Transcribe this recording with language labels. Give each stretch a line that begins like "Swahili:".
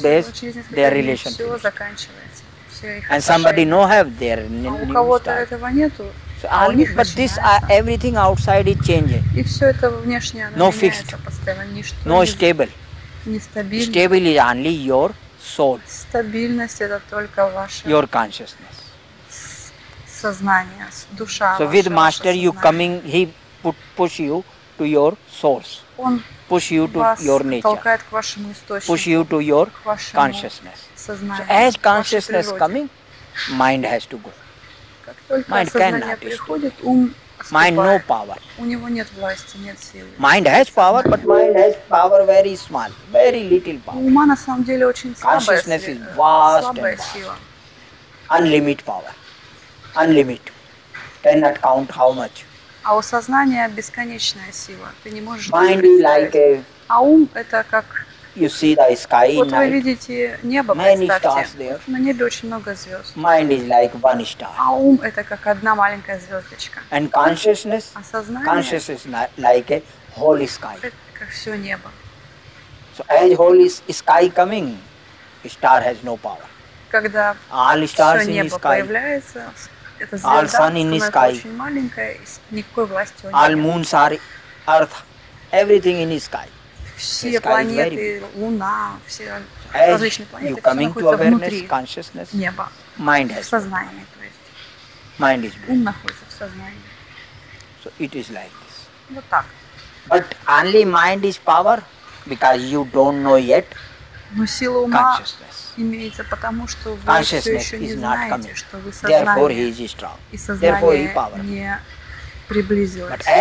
English: days, their relation.
Russian: Все заканчивается.
English: And somebody no have their new
Russian: у кого-то
English: style.
Russian: Этого нету.
English: So,
Russian: а у них
English: but this everything outside is changing.
Russian: И все это внешнее
English: no fixed. No stable.
Russian: Нестабильно.
English: Stable is only your soul.
Russian: Стабильность это только ваше.
English: Your consciousness.
Russian: Сознание, душа.
English: So with master you coming, he push you to your source.
Russian: Он
English: push you to your nature.
Russian: Толкает к вашему источнику.
English: Push you to your consciousness. So as consciousness coming, mind has to go. Mind cannot
Russian: приходит, ум отступает.
English: Mind no power.
Russian: У него нет власти, нет силы.
English: Mind has power, but mind has power very small, very little power.
Russian: Ума на самом деле очень слабая сила.
English: Consciousness is vast and vast. Unlimited power. Unlimited. Cannot count how much.
Russian: А у сознания бесконечная сила. Ты не можешь
English: mind is like a.
Russian: А ум это как.
English: You see the sky
Russian: вот
English: in night.
Russian: Вы видите небо,
English: many
Russian: представьте.
English: Stars there.
Russian: На небе очень много звезд.
English: Mind is like one star.
Russian: А ум это как одна маленькая звездочка.
English: And consciousness.
Russian: А сознание.
English: Consciousness like a whole sky.
Russian: Это как все небо.
English: So as whole sky coming, star has no power.
Russian: Когда
English: all stars
Russian: все небо
English: in sky.
Russian: Появляется.
English: All sun in the sky. All moons are earth. Everything in the sky.
Russian: Все планеты, луна, все различные планеты, все находятся внутри неба.
English: Mind has.
Russian: В сознании, то есть.
English: Mind is.
Russian: Ум находится в сознании.
English: So it is like this.
Russian: Вот так.
English: But only mind is power, because you don't know yet.
Russian: Но сила ума имеется потому, что вы все еще не знаете, что вы сознание, и сознание не приблизилось.